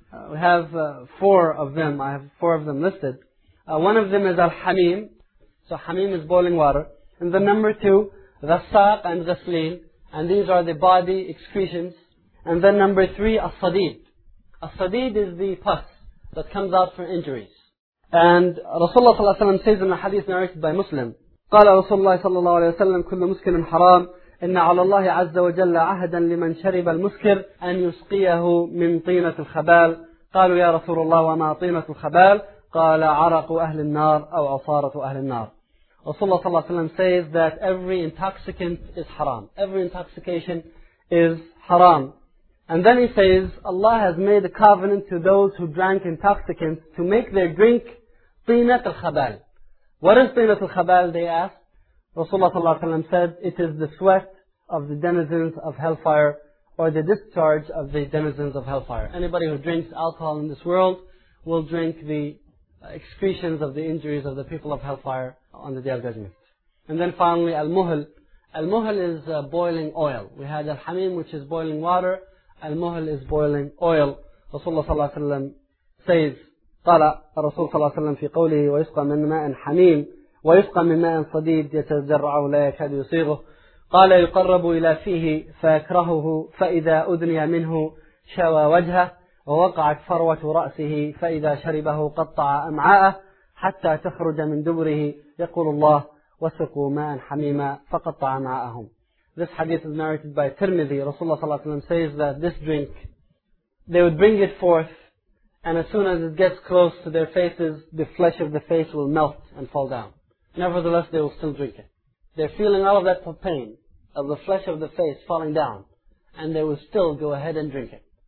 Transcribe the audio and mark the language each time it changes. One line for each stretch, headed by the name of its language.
English: We have four of them. I have four of them listed. One of them is al-hamim. So hamim is boiling water. And the number two, ghassaq and ghislin. And these are the body excretions. And then number three, as-sadid. As-sadid is the pus that comes out from injuries. And Rasulullah sallallahu alayhi wa sallam says in a hadith narrated by Muslim,
Arabic: قَالَ رَسُولُ اللَّهِ صَلَّى اللَّهُ عَلَيْهِ وَسَلَّمُ كُلُّ مُسْكِرٍ حَرَامٍ إِنَّ عَلَى اللَّهِ عَزَّ وَجَلَّ عَهَدًا لِمَنْ شَرِبَ الْمُسْكِرِ أَنْ يُسْقِيَهُ مِنْ طِينَةِ الْخَبَالِ. قَالُوا يَا رَسُولُ اللَّهِ وَمَا طِينَةُ الْخَبَالِ؟ قَالَ عَرَقُ أَهْلِ النَّارِ أَوْ عَصَارَةُ أَهْلِ النَّارِ.
English: Rasulullah sallallahu alayhi wa sallam says that every intoxicant is haram. Every intoxication is haram. And then he says, Allah has made a covenant to those who drank intoxicants to make their drink طِينَةِ الْخَبَالِ. What is طِينَةِ الْخَبَالِ, they ask. Rasulullah ﷺ said, it is the sweat of the denizens of hellfire, or the discharge of the denizens of hellfire. Anybody who drinks alcohol in this world will drink the excretions of the injuries of the people of hellfire on the Day of Judgment. And then finally, al-muhl. Al-muhl is boiling oil. We had al-hamim, which is boiling water. Al-muhl is boiling oil. Rasulullah ﷺ says,
Arabic: قال رسول صلى الله عليه وسلم في قوله ويسقى من ماء حميم ويسقى من ماء صديد يتزرعه لا يكاد يصيغه قال يقرب إلى فيه فيكرهه فإذا أدني منه شوى وجهه ووقعت فروة رأسه فإذا شربه قطع أمعاءه حتى تخرج من دبره يقول الله وسقوا ماء حميما فقطع أمعاءهم.
English: This hadith is narrated by Tirmidhi. Rasulullah
Arabic: صلى الله عليه وسلم
English: says that this drink, they would bring it forth, and as soon as it gets close to their faces, the flesh of the face will melt and fall down. Nevertheless, they will still drink it. They're feeling all of that pain of the flesh of the face falling down, and they will still go ahead and drink it.